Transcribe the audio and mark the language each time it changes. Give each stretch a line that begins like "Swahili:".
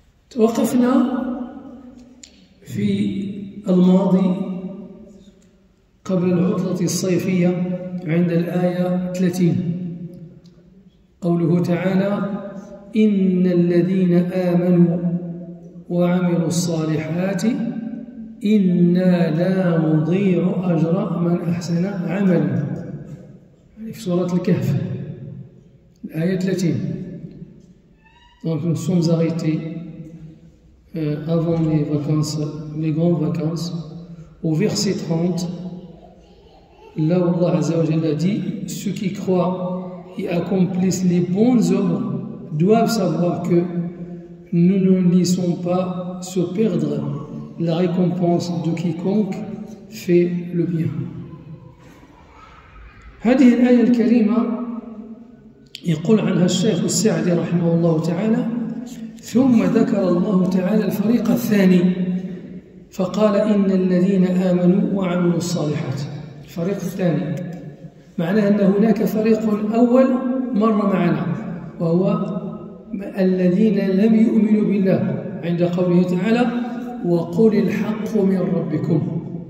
Arabic: توقفنا في الماضي قبل العطلة الصيفية عند الآية 30، قوله تعالى: إن الذين آمنوا وعملوا الصالحات إنا لا نضيع أجر من أحسن عملا، في سورة الكهف الآية 30.
French: Donc nous sommes arrêtés avant les vacances, les grandes vacances, au verset 30. Là où Allah Azza wa Jalla dit: ceux qui croient et accomplissent les bonnes œuvres doivent savoir que nous ne laissons pas se perdre la récompense de quiconque fait le bien.
Arabic: هذه الآية الكريمة يقول عنها الشيخ السعدي رحمه الله تعالى: ثم ذكر الله تعالى الفريق الثاني فقال: إن الذين آمنوا وعملوا الصالحات. الفريق الثاني معناه أن هناك فريق أول مر معنا، وهو الذين لم يؤمنوا بالله عند قوله تعالى: وقل الحق من ربكم